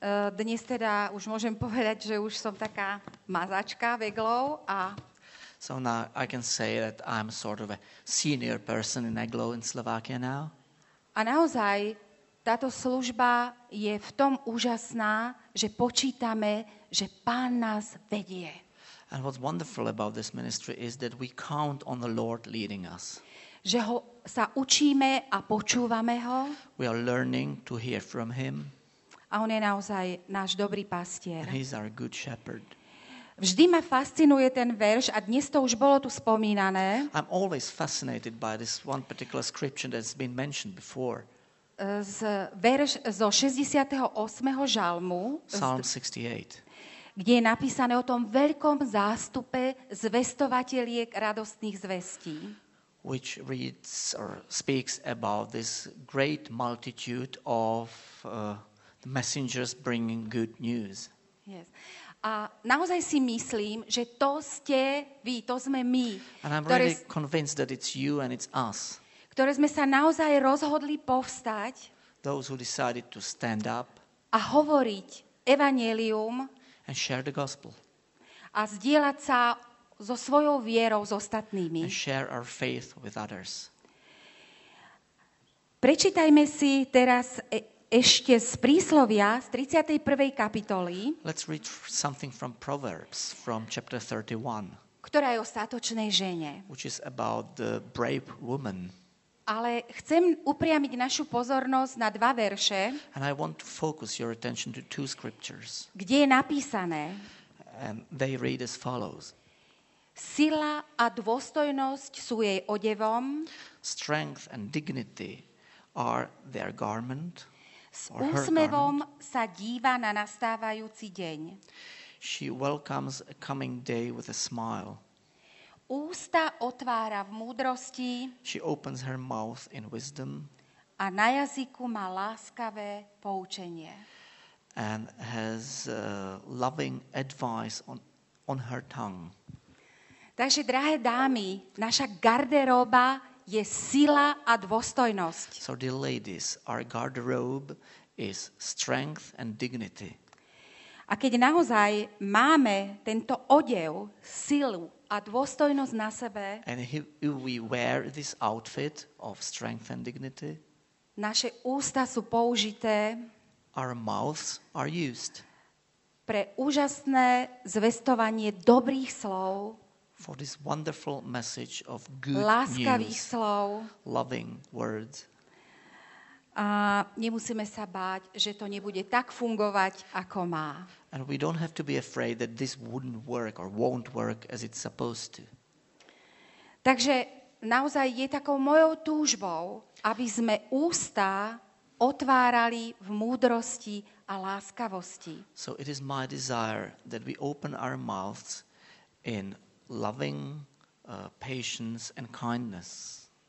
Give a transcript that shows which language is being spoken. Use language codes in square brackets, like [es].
[sk] Dnes teda už môžem povedať, že už som taká mazačka v EGLOW a [en] so now I can say that I'm sort of a senior person in EGLOW in Slovakia now. [sk] A naozaj táto služba je v tom úžasná, že počítame, že Pán nás vedie. [en] And what's wonderful about this ministry is that we count on the Lord leading us. [sk] Že ho sa učíme a počúvame ho. [en] We are learning to hear from him. [sk] A on je naozaj náš dobrý pastier. [en] And he's our good shepherd. [sk] Vždy ma fascinuje ten verš a dnes to už bolo tu spomínané. [en] I'm always fascinated by this one particular scripture that's been mentioned before. [sk] Z verš zo 68. žalmu. [en] Psalm 68. [sk] Kde je napísané o tom veľkom zástupe zvestovateliek radostných zvestí. [en] Which reads or speaks about this great multitude of the messengers bringing good news. [sk] Yes. A naozaj si myslím, že to ste vy, to sme my. [en] And I'm really convinced that it's you and it's us. [sk] Ktoré sme sa naozaj rozhodli povstať. [en] Those who decided to stand up. [sk] A hovoriť evanjelium. [en] And share the gospel. [sk] A zdieľať sa so svojou vierou s ostatnými. [en] And share our faith with others. [sk] Prečítajme si teraz ešte z príslovia z 31. kapitoly. [en] Let's read something from Proverbs from chapter 31. [sk] Ktorá je o statočnej žene. [en] Which is about the brave woman. [sk] Ale chcem upriamiť našu pozornosť na dva verše. [en] And I want to focus your attention to two scriptures. [sk] Kde je napísané? [en] And they read as follows. [sk] Sila a dôstojnosť sú jej odevom. [en] Strength and dignity are their garment. [sk] S úsmevom sa díva na nastávajúci deň. [en] She welcomes a coming day with a smile. [sk] Ústa otvára v múdrosti. [en] She opens her mouth in wisdom. [sk] A na jazyku má láskavé poučenie. [en] And has loving advice on her tongue. [sk] Takže, drahé dámy, naša garderoba je sila a dôstojnosť. [en] So dear ladies, our garderobe is strength and dignity. [sk] A keď naozaj máme tento odev, silu a dôstojnosť na sebe, [en] and if we wear this outfit of strength and dignity, [sk] naše ústa sú použité, [en] our mouths are used. [sk] pre úžasné zvestovanie dobrých slov, [en] for this wonderful message of good news, [sk] láskavých slov, [en] loving words. [sk] A nemusíme sa báť, že to nebude tak fungovať, ako má. [en] And we don't have to be afraid that this wouldn't work or won't work as it's supposed to. [sk] Takže naozaj je takou mojou túžbou, aby sme ústa otvárali v múdrosti a láskavosti. [en] So it is my desire that we open our mouths in loving, patience and kindness.